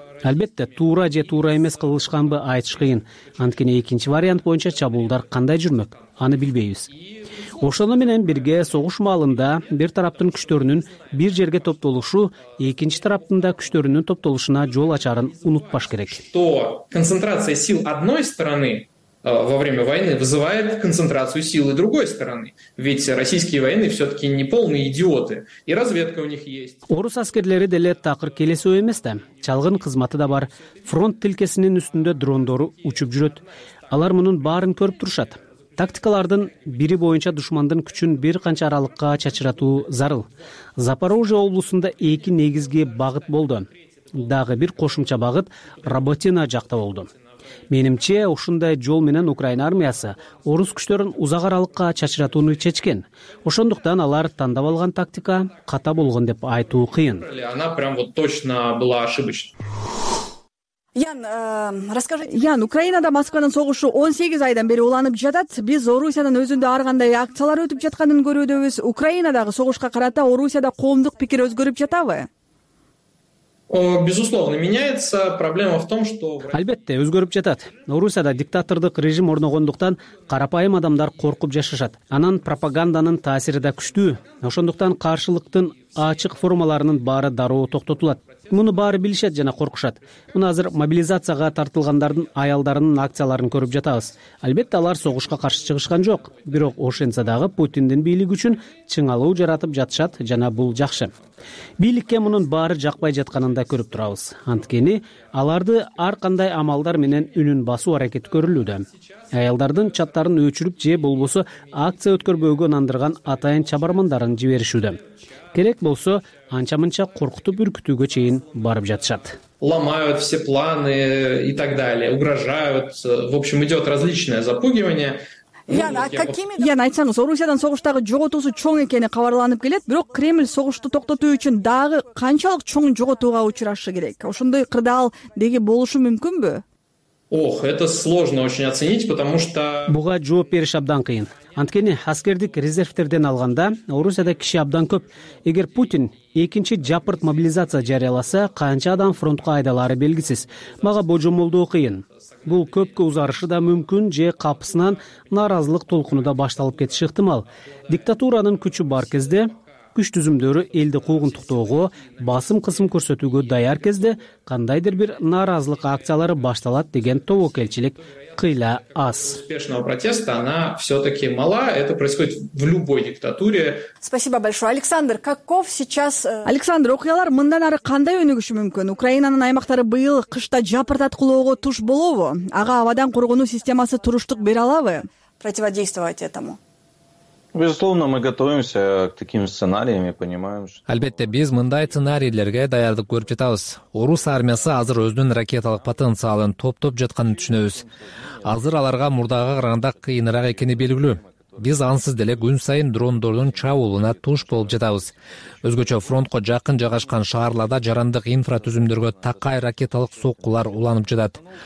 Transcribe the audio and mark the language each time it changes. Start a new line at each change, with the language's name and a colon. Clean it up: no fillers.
Kyrgyz: Албетте, туура же туура эмес кылышканбы айтыш кыйын. Анткени экинчи вариант боюнча чабуулдар кандай жүрмөк, аны билбейбиз. Ошону менен бирге согуш маалында бир тараптын күчтөрүнүн бир жерге топтолушу экинчи тараптын да күчтөрүнүн топтолушуна жол ачарын унутпаш керек.
Russian: То концентрация сил одной стороны во время войны вызывает концентрацию силы другой стороны. Ведь российские военные все-таки не полные идиоты. И разведка у них есть.
Kyrgyz: Орус аскерлери деле такыр келесөө эмес да. Чалгын кызматы да бар. Фронт тилкесинин үстүндө дрондору учуп жүрөт. Алар мунун баарын көрүп турушат. Тактикалардын бири боюнча душмандын күчүн бир канча аралыкка чачыратуу зарыл. Запорожье облусунда 2 негизги багыт болду. Дагы бир кошумча багыт Работино жакта болду. Менимче, ушундай жол менен Украина армиясы орус күчтөрүн узак аралыкка чачыратууну чечкен. Ошондуктан алар тандап алган тактика ката болгон деп айтуу кыйын.
Russian: Она прям вот точно была ошибочной.
Kyrgyz: Ян, Украинада Москванын согушу 18 айдан бери уланып жатат. Биз Орусиянын өзүндө ар кандай акциялар өтүп жатканын көрүүдөбүз. Украинадагы согушка карата Орусияда коомдук пикир өзгөрүп жатабы?
Russian: Безусловно, меняется. Проблема в том, что...
Kyrgyz: Албетте, өзгөрүп жатат. Орусияда диктатордук режим орногондуктан карапайым адамдар коркуп жашашат. Анан пропагандынын таасири да күчтүү. Ошондуктан каршылыктын ачык формаларынын баары дароо токтотулат. Муну баары билишет жана коркушат. Муну азыр мобилизацияга тартылгандардын аялдарынын акцияларын көрүп жатабыз. Албетте, алар согушка каршы чыгышкан жок. Бирок ошентсе дагы Путиндин бийлиги үчүн чыңалуу жаратып жатышат жана бул жакшы. Бийликке мунун баары жакпай жатканын да көрүп турабыз. Анткени аларды ар кандай амалдар менен үнүн басуу аракети көрүлүүдө. Аялдардын чаттарын өчүрүп же болбосо акция өткөрбөөгө нандырган атайын чабармандарын жиберишүүдө. Керек болсо анча-мынча коркутуп үркүтүүгө чейин барып жатышат.
Russian: Ломают все планы и так далее, угрожают. В общем, идет различное запугивание.
Kyrgyz: Яна, айтсаңыз, Орусиядан согуштагы жоготуусу чоң экени кабарланып келет, бирок Кремль согушту токтотуу үчүн дагы канчалык чоң жоготууга учурашы керек? Ошондой кырдаал деги болушу мүмкүнбү?
Russian: Ох, это сложно очень оценить, потому что...
Kyrgyz: Буга жооп бериш абдан кыйын. Анткени аскердик резервтерден алганда Орусияда киши абдан көп. Эгер Путин экинчи жапырт мобилизация жарыяласа, канча адам фронтко айдалары белгисиз. Мага божомолдоо кыйын. Бул көпкө узарышы да мүмкүн же капысынан нааразылык толкуну да башталып кетиши ыктымал. Диктатуранын күчү бар кезде, күч түзүмдөрү элди куугунтуктоого, басым кысым көрсөтүүгө даяр кезде кандайдыр бир нааразылык акциялары башталат деген тобокелчилик кыйла аз.
Russian: Успешного протеста она все-таки мала. Это происходит в любой диктатуре. Спасибо большое. Александр, каков сейчас...
Kyrgyz: Александр, окуялар мындан ары кандай өнүгүшү мүмкүн? Украинанын аймактары быйыл кышта жапырт аткылоого туш болобу? Ага абадан коргонуу системасы туруштук бере алабы?
Russian: Противодействовать этому. Безусловно, мы готовимся к таким сценариям и понимаем, что...
Kyrgyz: Албетте, биз мындай сценарийлерге даярдык көрүп жатабыз. Орус армиясы азыр өзүнүн ракеталык потенциалын топтоп жатканын түшүнөбүз. Азыр аларга мурдагы караганда кыйыныраак экени белгилүү. Биз ансыз деле күн сайын дрондордун чабуулуна туш болуп жатабыз. Өзгөчө фронтко жакын жайгашкан шаарларда жарандык инфратүзүмдөргө такай ракеталык соккулар уланып жатат.